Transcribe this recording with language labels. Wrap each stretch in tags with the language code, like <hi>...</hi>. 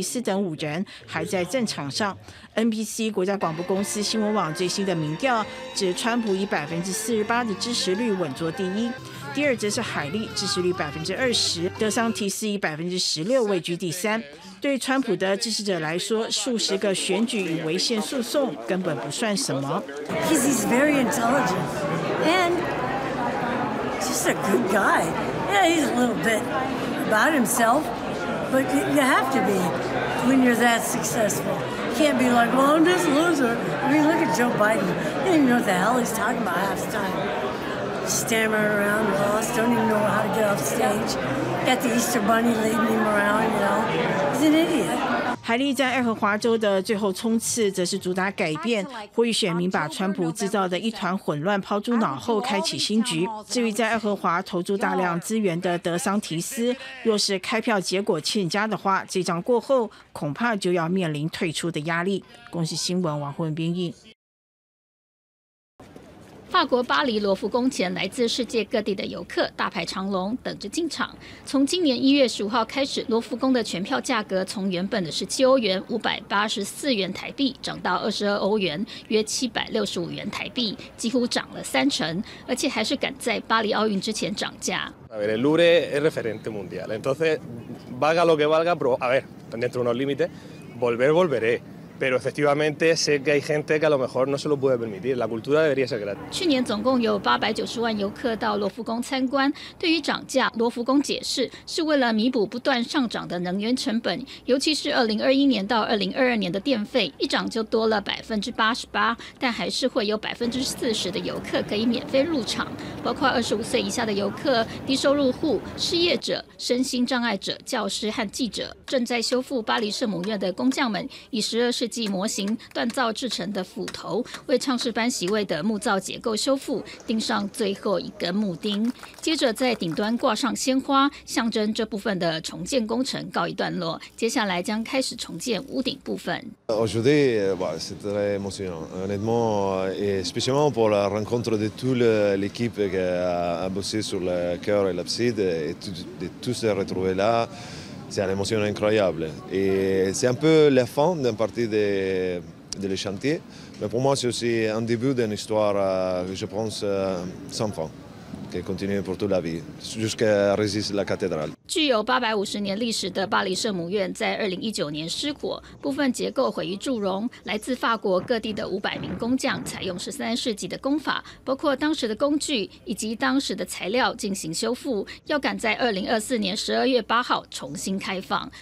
<zh>爱荷华州的共和党选民15号将在全州1500个党团会议地点投票选出新一的2024总统大选提名人。众多有意角逐白宫大位的参选人，早在一年前陆续宣布投身选战，但到初选的这第一场战役，只剩下川普、海利德桑提斯等5人还在战场上。NBC 国家广播公司新闻网最新的民调指，川普以48%的支持率稳坐第一。第二则是海利，支持率20%，德桑提斯以16%位居第三。对川普的支持者来说，数十个选举与违宪诉讼根本不算什么。</zh> <en>Because he's very intelligent and just a good guy. Yeah, he's a little bit about himself, but you have to be when you're that successful. Can't be like, well, I'm just a loser. I mean, look at Joe Biden. He doesn't even know what the hell he's talking about half the time. Stammer around, lost, don't even know how to get off stage. Got the Easter Bunny leading him around, you know. He's an idiot.</en> <zh>海莉在爱荷华州的最后冲刺则是主打改变，呼吁选民把川普制造的一团混乱抛诸脑后，开启新局。至于在爱荷华投注大量资源的德桑提斯，若是开票结果欠佳的话，这仗过后恐怕就要面临退出的压力。公视新闻王慧编译。法国巴黎罗浮宫前，来自世界各地的游客大排长龙等着进场。从今年1月15号开始，罗浮宫的全票价格从原本的17欧元（584元台币）涨到22欧元（约765元台币），几乎涨了三成，而且还是赶在巴黎奥运之前涨价。</zh> <es>A ver, el Louvre es referente mundial, entonces valga lo que valga, pero a ver, dentro de unos límites, volveré. Pero efectivamente sé que hay gente que a lo mejor no se lo puede permitir. La cultura debería ser gratis.</es> <zh>去年总共有890万游客到罗浮宫参观。对于涨价，罗浮宫解释是为了弥补不断上涨的能源成本，尤其是2021年到2022年的电费一涨就多了88%，但还是会有40%的游客可以免费入场，包括25岁以下的游客、低收入户、失业者、身心障碍者、教师和记者。正在修复巴黎圣母院的工匠们以12世纪模型锻造制成的斧头，为唱诗班席位的木造结构修复钉上最后一根木钉，接着在顶端挂上鲜花，象征这部分的重建工程告一段落，接下来将开始重建屋顶部分。</zh> <fr>Aujourd'hui, c'est très émotionnant, honnêtement, et spécialement pour la rencontre de toute l'équipe qui a bossé sur le cœur et l'abside et de tous se retrouver là. C'est une émotion incroyable et c'est un peu la fin d'une partie de le chantier, mais pour moi c'est aussi un début d'une histoire, je pense, sans fin.</fr> <zh>可以</zh> <fr>continue pour toute la vie，jusqu'à résister la cathédrale。</fr> <zh>具有850年历史的巴黎圣母院在2019年失火，部分结构毁于铸熔。来自法国各地的500名工匠采用13世纪的工法，包括当时的工具以及当时的材料进行修复，要赶在2024年12月8号重新开放。</zh>